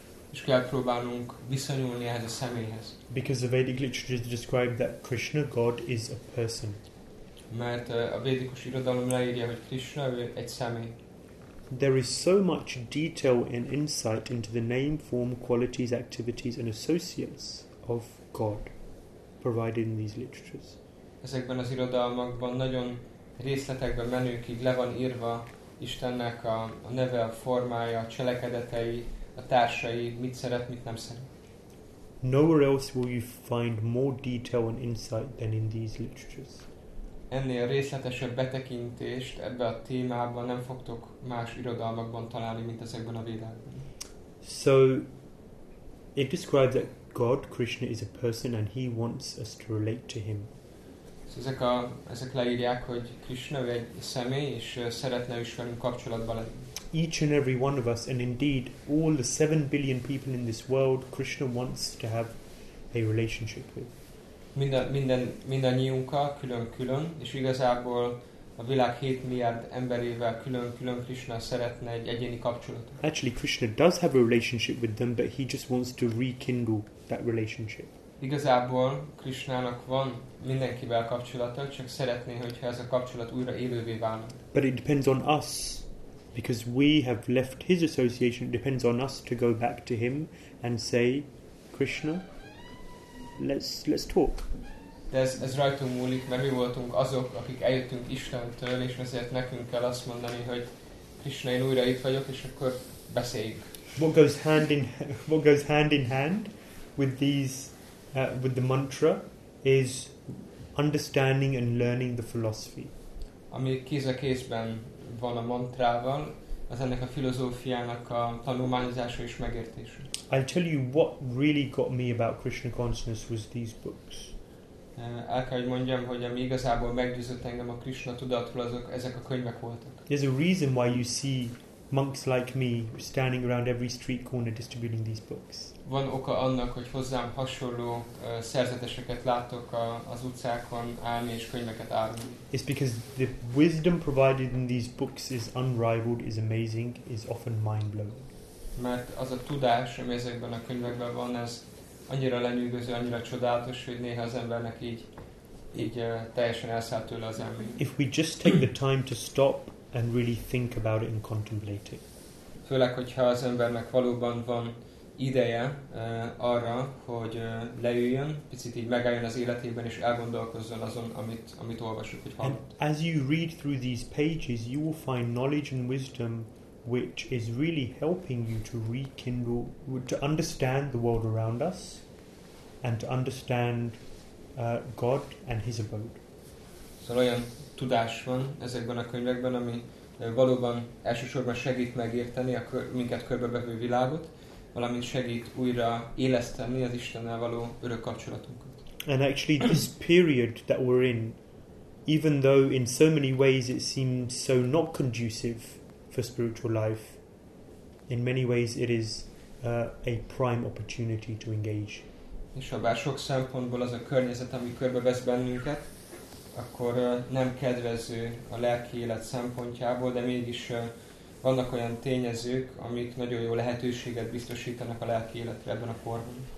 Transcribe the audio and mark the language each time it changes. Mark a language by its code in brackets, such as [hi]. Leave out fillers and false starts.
[hu] És kell próbálnunk viszonyulni ehhez a személyhez. [en] Because the Vedic literature describes that Krishna, God, is a person. [hu] Mert a védikus irodalom leírja, hogy Krishna egy személy. [en] There is so much detail and insight into the name, form, qualities, activities and associates of God provided in these literatures. [hu] Ezekben az irodalmakban nagyon részletekben menőkig le van írva Istennek a neve, a formája, a cselekedetei, a társai, mit szeret, mit nem szeret. [en] Nowhere else will you find more detail and insight than in these literatures. [hu] Ennél részletesebb betekintést ebbe a témában nem fogtok más irodalmakban találni, mint ezekben a védákban. [en] So, it describes that God, Krishna, is a person and he wants us to relate to him. [hu] Ezek leírják, hogy Krishna egy személy, és szeretne is velünk kapcsolatban lenni. [en] Each and every one of us, and indeed all the 7 billion people in this world, Krishna wants to have a relationship with. [hu] Mindannyiunkkal külön-külön, és igazából a világ 7 milliárd emberével külön-külön Krishna szeretne egy egyéni kapcsolatot. [en] Actually, Krishna does have a relationship with them, but he just wants to rekindle that relationship. [hu] Igazából Krishnának van mindenkivel kapcsolata, csak szeretné, hogyha ez a kapcsolat újra élővé válna. [en] But it depends on us, because we have left his association, it depends on us to go back to him and say, Krishna, let's talk. [hu] De ez rajtunk múlik, mert mi voltunk azok, akik eljöttünk Istentől, és ezért nekünk kell azt mondani, hogy Krishna, én újra itt vagyok, és akkor beszéljük. [en] What goes hand in hand with the mantra is understanding and learning the philosophy. [hu] Ami kéz a kézben van a mantrával, az ennek a filozófiának a tanulmányozása és megértése. [en] I'll tell you what really got me about Krishna consciousness was these books. [hu] El kell, hogy mondjam, hogy ami igazából meggyőzött engem a Krishna tudatról, azok ezek a könyvek voltak. [en] There's a reason why you see monks like me standing around every street corner distributing these books. [hu] Van oka annak, hogy hozzám hasonló szerzeteseket látok az utcákon állni és könyveket árulni. [en] It's because the wisdom provided in these books is unrivaled, is amazing, is often mind-blowing. [hu] Mert az a tudás, ami ezekben a könyvekben van, ez annyira lenyűgöző, annyira csodálatos, hogy néha az embernek így teljesen elszáll tőle az elmény. [en] If we just take the time to stop and really think about it and contemplate it. [hu] Főleg, hogyha az embernek valóban van ideje arra, hogy leüljön, picit így megálljon az életében, és elgondolkozzon azon, amit olvasott, hogy hallott. [en] And as you read through these pages, you will find knowledge and wisdom which is really helping you to rekindle, to understand the world around us, and to understand God and his abode. [hu] Szóval olyan tudás van ezekben a könyvekben, ami valóban elsősorban segít megérteni a minket körbevevő világot, valamint segít újra éleszteni az Istennel való örök kapcsolatunkat. [en] And actually this period that we're in, even though in so many ways it seems so not conducive for spiritual life, in many ways it is a prime opportunity to engage. [hu] És ha bár sok szempontból az a környezet, ami körbevesz bennünket, akkor nem kedvező a lelki élet szempontjából, de mégis vannak olyan tényezők, amik nagyon jó lehetőséget biztosítanak a lelki életre ebben a korban.